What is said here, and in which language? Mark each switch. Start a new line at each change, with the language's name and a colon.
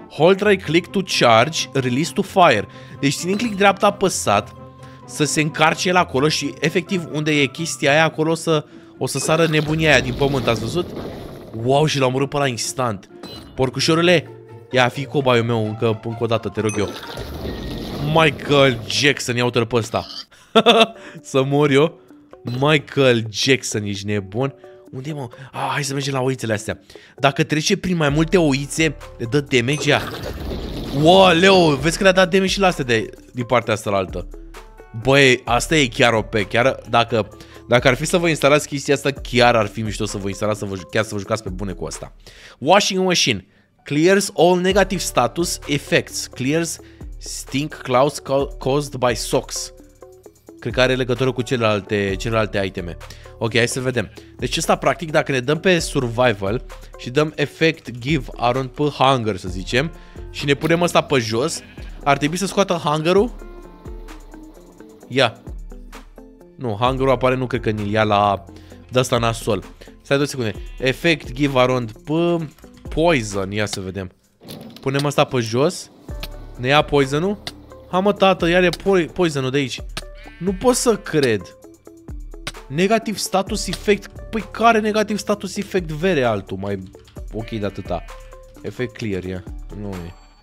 English: Hold right click to charge, release to fire.
Romanian: Deci ținem click dreapta apăsat să se încarce el acolo și efectiv unde e chestia aia acolo o să sară nebunia aia din pământ, ați văzut? Wow, și l-am urât pe la instant. Porcușorule, ia fi cobaiul meu încă o dată, te rog eu. Michael Jackson, ia uite-l pe ăsta. Să mor eu. Michael Jackson, ești nebun? Unde mă? Ah, hai să mergem la oițele astea. Dacă trece prin mai multe oițe, le dă damage ea. Wow, leu, vezi că le-a dat damage și la astea din partea asta la altă. Băi, asta e chiar OP, chiar dacă ar fi să vă instalați chestia asta, chiar ar fi mișto să vă instalați, chiar să vă jucați pe bune cu asta.
English: Washing machine, clears all negative status effects, clears stink clouds caused by socks.
Romanian: Cred că are legătură cu celelalte iteme. Ok, hai să vedem. Deci ăsta practic, dacă ne dăm pe survival și dăm effect give around pe hunger, să zicem, și ne punem ăsta pe jos, ar trebui să scoată hunger-ul. Ia. Nu, hunger-ul apare, nu cred că ni-l ia la de asta nasol. Stai 2 secunde.
English: Effect give around poison.
Romanian: Ia să vedem. Punem asta pe jos. Ne ia poison-ul. Ha, mă, tată, iar e poison-ul de aici. Nu pot să cred.
English: Negative status effect.
Romanian: Păi care
English: negative status effect?
Romanian: Vere altul mai ok de atâta. Effect clear, ia. Nu e.